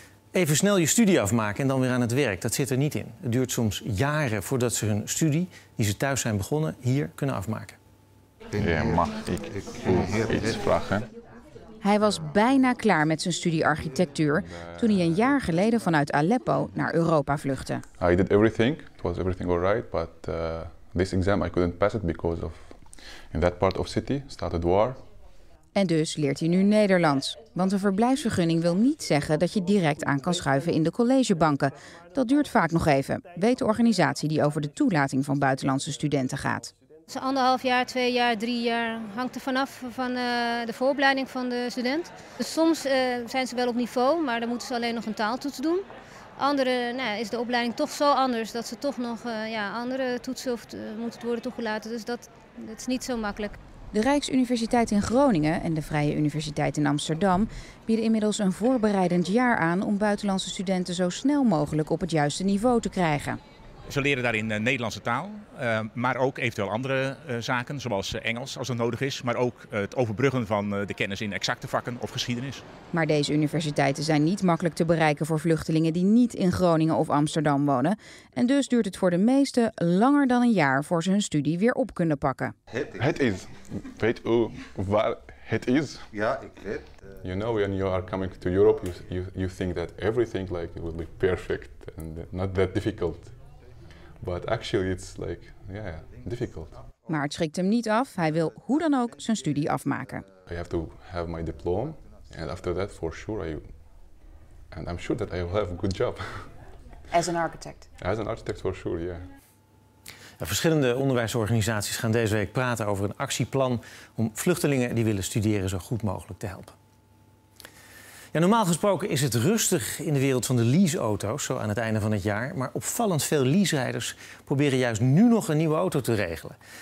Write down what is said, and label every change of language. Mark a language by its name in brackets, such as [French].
[Dutch] Even snel je studie afmaken en dan weer aan het werk, dat zit er niet in. Het duurt soms jaren voordat ze hun studie, die ze thuis zijn begonnen, hier kunnen afmaken. Ja, mag ik iets vragen? Hij was bijna klaar met zijn studie architectuur toen hij een jaar geleden vanuit Aleppo naar Europa vluchtte. [English] I did everything. It was everything all right, but this exam I couldn't pass it because of in that part of city started war. [Dutch] En dus leert hij nu Nederlands, want een verblijfsvergunning wil niet zeggen dat je direct aan kan schuiven in de collegebanken. Dat duurt vaak nog even, weet de organisatie die over de toelating van buitenlandse studenten gaat. Zo'n 1,5 jaar, 2 jaar, 3 jaar hangt er vanaf van de vooropleiding van de student. Dus soms zijn ze wel op niveau, maar dan moeten ze alleen nog een taaltoets doen. Andere is de opleiding toch zo anders dat ze toch nog andere toetsen moeten worden toegelaten. Dus dat is niet zo makkelijk. De Rijksuniversiteit in Groningen en de Vrije Universiteit in Amsterdam bieden inmiddels een voorbereidend jaar aan om buitenlandse studenten zo snel mogelijk op het juiste niveau te krijgen. Ze leren daarin Nederlandse taal, maar ook eventueel andere zaken, zoals Engels als dat nodig is. Maar ook het overbruggen van de kennis in exacte vakken of geschiedenis. Maar deze universiteiten zijn niet makkelijk te bereiken voor vluchtelingen die niet in Groningen of Amsterdam wonen. En dus duurt het voor de meesten langer dan een jaar voor ze hun studie weer op kunnen pakken. Het is, weet u waar [English] It is. Yeah, it is. You know, when you are coming to Europe, you think that everything like it will be perfect and not that difficult. But actually it's like, yeah, difficult. [Dutch] Maar het schrikt hem niet af. Hij wil hoe dan ook zijn studie afmaken. [English] I have to have my diploma and after that for sure I'm sure that I will have a good job. As an architect. As an architect for sure, yeah. [Dutch] Verschillende onderwijsorganisaties gaan deze week praten over een actieplan om vluchtelingen die willen studeren zo goed mogelijk te helpen. Ja, normaal gesproken is het rustig in de wereld van de leaseauto's, zo aan het einde van het jaar. Maar opvallend veel leaserijders proberen juist nu nog een nieuwe auto te regelen.